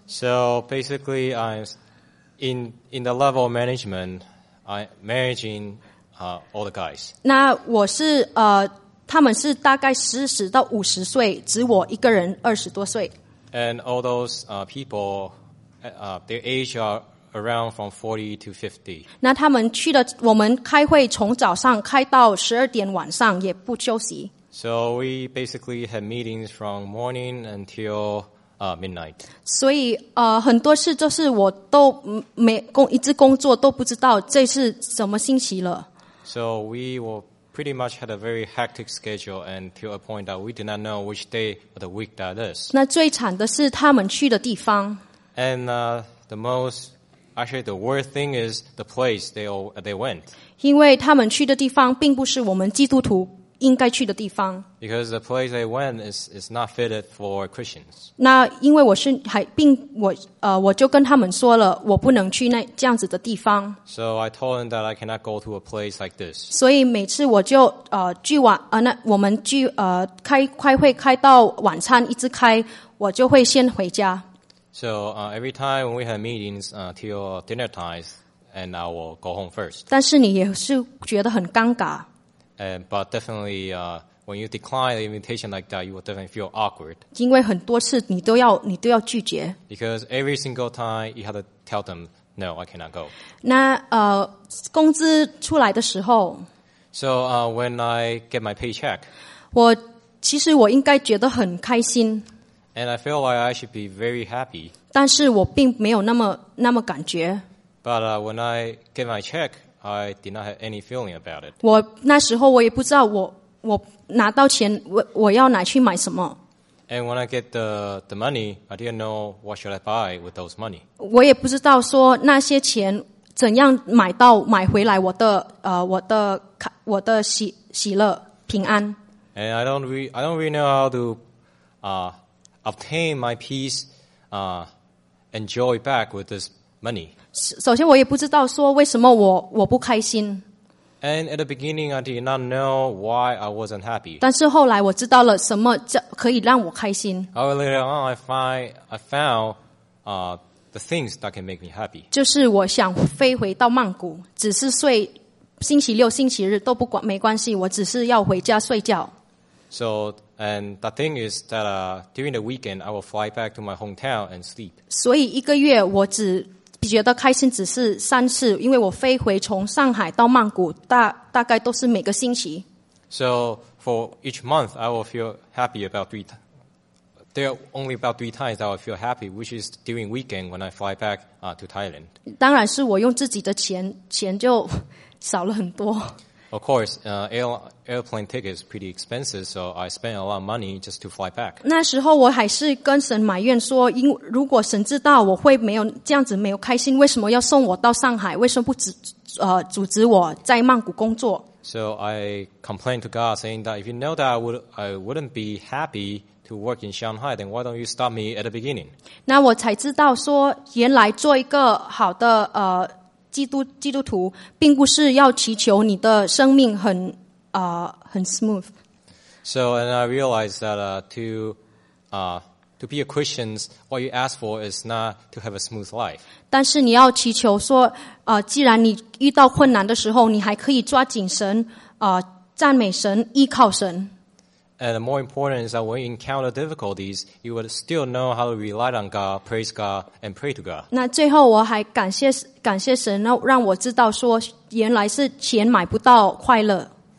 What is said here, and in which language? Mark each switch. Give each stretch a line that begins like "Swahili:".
English: So basically I'm in the level of management, I'm managing all the guys.
Chinese: 那我是他们是大概40到50岁，只我一个人20多岁。
English: And all those people, their age are around from 40 to 50.
Chinese: 那他们去的，我们开会从早上开到12点晚上，也不休息。
English: So we basically had meetings from morning until midnight.
Chinese: 所以很多事就是我都没工，一直工作都不知道这是什么星期了。
English: So we were. Pretty much had a very hectic schedule, and to a point that we did not know which day of the week that is.
Chinese: 那最惨的是他们去的地方。
English: And the most, actually, the worst thing is the place they went.
Chinese: 因为他们去的地方并不是我们基督徒应该去的地方。
English: Because the place they went is not fitted for Christians.
Chinese: 那因为我是还并我我就跟他们说了，我不能去那这样子的地方。
English: So I told them that I cannot go to a place like this.
Chinese: 所以每次我就聚晚那我们聚开会开到晚餐一直开，我就会先回家。
English: So every time when we have meetings till dinner time, and I will go home first.
Chinese: 但是你也是觉得很尴尬。
English: But definitely, when you decline an invitation like that, you will definitely feel awkward.
Chinese: 因为很多次你都要拒绝。
English: Because every single time you have to tell them, no, I cannot go.
Chinese: 那工资出来的时候。
English: So, when I get my paycheck.
Chinese: 我其实我应该觉得很开心。
English: And I feel like I should be very happy.
Chinese: 但是我并没有那么感觉。
English: But when I get my check,I did not have any feeling about it.
Chinese: 我那时候我也不知道我拿到钱我要拿去买什么。
English: And when I get the money, I didn't know what should I buy with those money.
Chinese: 我也不知道说那些钱怎样买回来我的喜乐平安。
English: And I don't really know how to obtain my peace and joy back with this money.
Chinese: 首先我也不知道说为什么我不开心。
English: And at the beginning, I did not know why I wasn't happy.
Chinese: 但是后来我知道了什么可以让我开心。
English: However, later on, I found the things that can make me happy.
Chinese: 就是我想飞回到曼谷，只是睡星期六、星期日都不管没关系，我只是要回家睡觉。
English: So, and the thing is that during the weekend, I will fly back to my hometown and sleep.
Chinese: 所以一个月我只觉得开心只是3次，因为我飞回从上海到曼谷，大概都是每个星期。
English: So for each month, I will feel happy about three. There are only about three times I will feel happy, which is during weekend when I fly back to Thailand.
Chinese: 当然是我用自己的钱就少了很多。
English: Of course, airplane ticket is pretty expensive, so I spent a lot of money just to fly back.
Chinese: 那时候我还是跟神埋怨说，因为如果神知道我会没有这样子没有开心，为什么要送我到上海？为什么不阻止我在曼谷工作？
English: So I complained to God, saying that if you know that I wouldn't be happy to work in Shanghai, then why don't you stop me at the beginning?
Chinese: 那我才知道说，原来做一个好的基督徒并不是要祈求你的生命很 smooth.
English: So, and I realized that to be a Christian, what you ask for is not to have a smooth life.
Chinese: 但是你要祈求说既然你遇到困难的时候你还可以抓紧神赞美神依靠神。
English: And the more important is that when you encounter difficulties, you will still know how to rely on God, praise God, and pray to God.
Chinese: 那最后我还感谢神，让我知道说原来是钱买不到快乐。